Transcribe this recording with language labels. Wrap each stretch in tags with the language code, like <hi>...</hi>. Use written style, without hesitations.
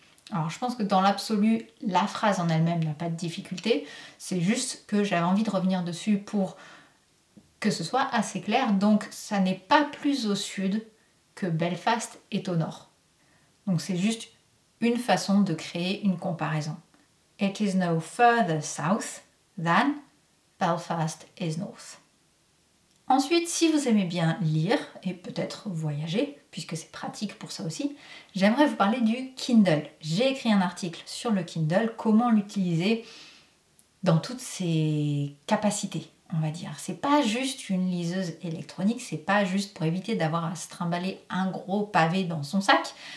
<fr>Alors, je pense que dans l'absolu, la phrase en elle-même n'a pas de difficulté. C'est juste que j'avais envie de revenir dessus pour que ce soit assez clair. Donc, ça n'est pas plus au sud que Belfast est au nord. Donc, c'est juste une façon de créer une comparaison.</fr> <en>It is no further south than Belfast is north.</en> <fr>Ensuite, si vous aimez bien lire et peut-être voyager, puisque c'est pratique pour ça aussi, j'aimerais vous parler du Kindle. J'ai écrit un article sur le Kindle, comment l'utiliser dans toutes ses capacités, on va dire. C'est pas juste une liseuse électronique, c'est pas juste pour éviter d'avoir à se trimballer un gros pavé dans son sac.</fr>